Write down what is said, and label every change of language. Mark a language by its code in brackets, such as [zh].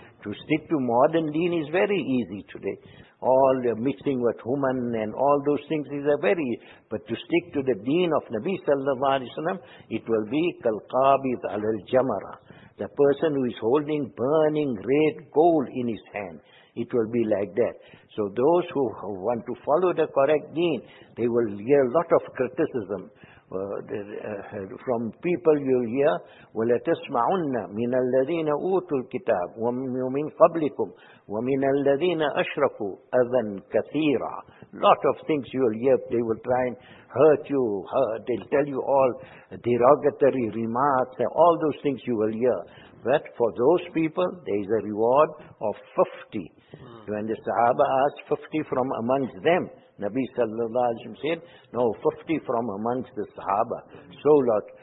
[en] To stick to modern deen is very easy today. All the mixing with human and all those things is a very, but to stick to the deen of Nabi sallallahu alayhi wasallam, it will be [ar] kalqabid al-jamara. [en] The person who is holding burning red gold in his hand, it will be like that. So those who want to follow the correct deen, they will hear a lot of criticism. [ar] From people you'll hear, وَلَتَسْمَعُنَّ مِنَ الَّذِينَ أُوتُوا الْكِتَابِ وَمِنْ قَبْلِكُمْ وَمِنَ الَّذِينَ أَشْرَكُوا أَذًا كَثِيرًا. [en] Lot of things you'll hear, they will try and hurt you, they'll tell you all derogatory remarks, all those things you will hear. But for those people, there is a reward of 50. When the Sahaba asked 50 from amongst them, Nabi sallallahu alayhi wa sallam said, no, 50 from amongst the Sahaba. So lot.